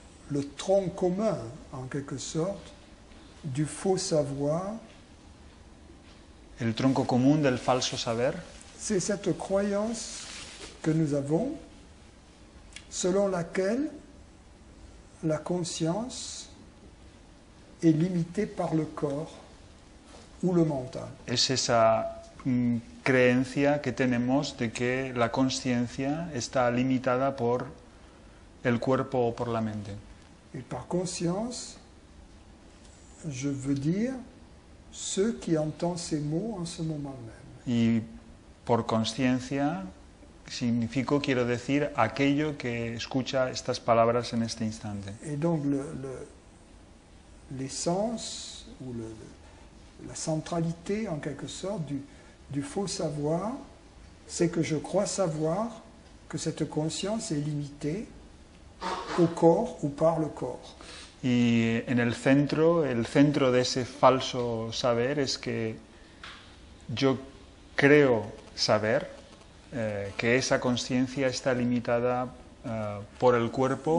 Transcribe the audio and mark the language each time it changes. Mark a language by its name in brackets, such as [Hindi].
[French] Le tronc commun, en quelque sorte, du faux savoir. [Spanish] El tronco común del falso saber. [French] C'est cette croyance que nous avons, selon laquelle la conscience est limitée par le corps ou le mental. [Spanish] Es esa creencia que tenemos de que la conciencia está limitada por el cuerpo o por la mente. [French] Et par conscience, je veux dire ceux qui entendent ces mots en ce moment même. [Spanish] Y por conciencia significo, quiero decir, aquello que escucha estas palabras en este instante. [French] Et donc l'essence ou la centralité en quelque sorte du faux savoir, c'est que je crois savoir que cette conscience est limitée au corps ou par le corps. [Spanish] Y en el centro de ese falso saber es que yo creo saber que esa conciencia está limitada por el cuerpo